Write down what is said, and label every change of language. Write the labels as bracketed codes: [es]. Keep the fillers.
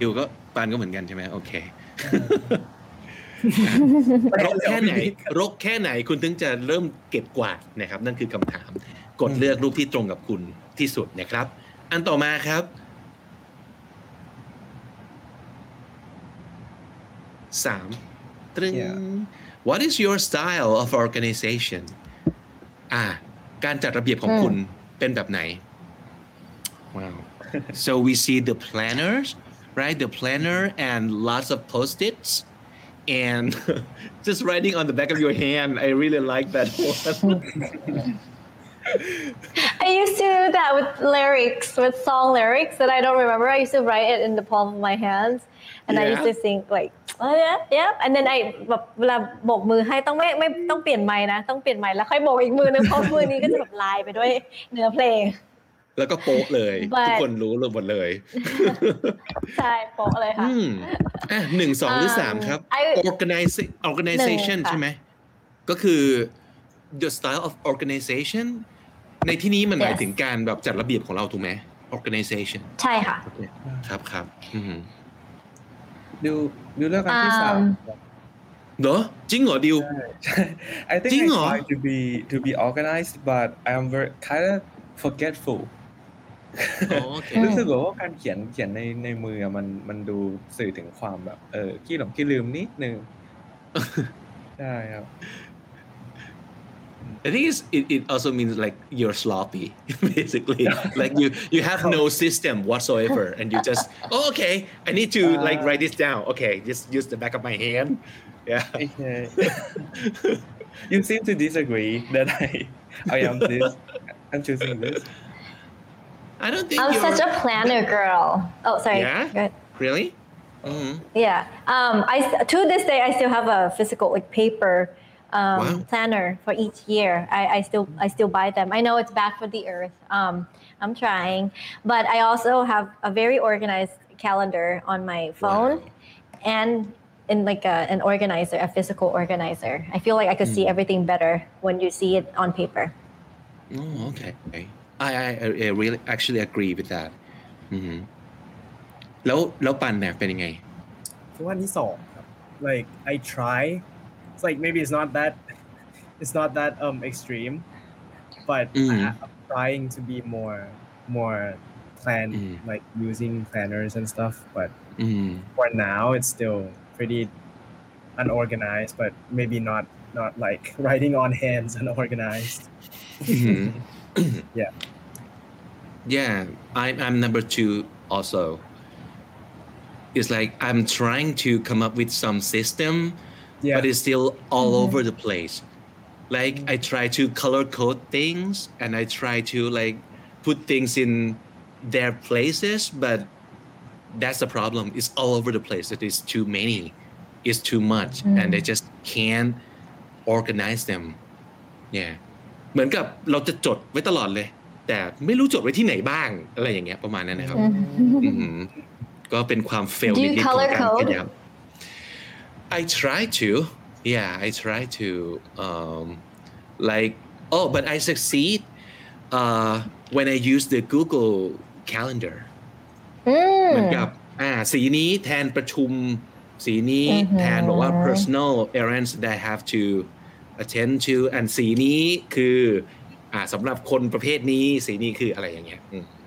[th] ดิวก็ปันก็เหมือนกันใช่ไหมโอเครกแค่ไหนรกแค่ไหนคุณถึงจะเริ่มเก็บกวาดนะครับ นั่นคือคำถาม กดเลือกรูปที่ตรงกับคุณที่สุดนะครับ อันต่อมาครับ สามตรึง [en] Yeah. What is your style of organization [th] อ่า การจัดระเบียบของ อืม คุณเป็นแบบไหน [en] Wow. so we see the planners, right? The planner and lots of post-its and just writing on the back of your hand. I really like that one. I used to do that with lyrics, with song lyrics that I don't remember. I used to write it in the palm of my hands, and I used Yeah. to think like, oh yeah, yeah. And then I [th] แบบเวลาโบกมือให้ต้องไม่ไม่ต้องเปลี่ยนไม้นะ ต้องเปลี่ยนไม้แล้วค่อยโบกอีกมือนึงเพราะมือนี้ก็จะแบบลายไปด้วยเนื้อเพลง แล้วก็โป๊ะเลย [en] But- [th] ทุกคนรู้เลยหมดเลย ใช่โป๊ะเลยค่ะ อืมอ่ะหนึ่งสองหรือสาม อ่า ครับ ไอ้ [en] organize organization [th] หนึ่งค่ะ ใช่ไหมก็คือ [en] the style of organization [th] ในที่นี้มันหมาย [en] Yes [th] ถึงการแบบจัดระเบียบของเราถูกไหม organization ใช่ค่ะ ครับครับอืม ดูดูเรื่องอันที่สาม Um, เหรอจริงเหรอดิว [en] I think [th] จริง [en] I [th] เหรอ [en] try to be to be organized but I'm very kind of forgetful [th] อ๋อโอเค รู้สึกแบบว่าการเขียนเขียนในในมืออะมันมันดูสื่อถึงความแบบเออขี้หลงขี้ลืมนิดนึง ใช่ครับ [en] I think it's, it, it also means like you're sloppy, basically. like you you have no system whatsoever, and you just oh, okay. I need to like Uh, write this down. Okay, just use the back of my hand. Yeah. Okay. you seem to disagree that I I am this I'm choosing this I don't think I'm you're such a planner girl. Oh, sorry. Yeah? Go ahead. really. Mm. Yeah. Um, I to this day I still have a physical like paper um, Wow. planner for each year. I, I still I still buy them. I know it's bad for the earth. Um, I'm trying, but I also have a very organized calendar on my phone and in like a, an organizer, a physical organizer. I feel like I could see everything better when you see it on paper. Oh, okay. I, I I I really actually agree with that. [th] อืมแล้วแล้วปันเนี่ยเป็นยังไง [en] So what is all? Like I try. It's like maybe it's not that it's not that um extreme, but Mm. I, I'm trying to be more more planned, Mm. like using planners and stuff. But [th] อืม [en] for now, it's still pretty unorganized, but maybe not not like writing on hands unorganized. yeah. Yeah. Yeah, I'm I'm number two also. It's like I'm trying to come up with some system, Yeah. but it's still all over the place. Like I try to color code things and I try to like put things in their places, but that's the problem. It's all over the place. It is too many. It's too much. And they just can't organize them. Yeah. [th] เหมือนกับเราจะจดไว้ตลอดเลย แต่ไม่รู้จดไว้ที่ไหนบ้างอะไรอย่างเงี้ยประมาณนั้นนะครับอืมก็เป็นความเฟล [en] Do [th] นิ [en] you [th] ดๆของ [en] color [th] การ [en] code? [th] ขยับ [en] I try to yeah I try to um, like oh but I succeed uh, when I use the Google Calendar [th] เหมือนกับอ่าสีนี้แทนประชุมสีนี้แทนบอกว่า [en] personal errands that I have to attend to and [th] สีนี้คืออ่าสำหรับคนประเภทนี้สีนี้คืออะไรอย่างเงี้ยอืม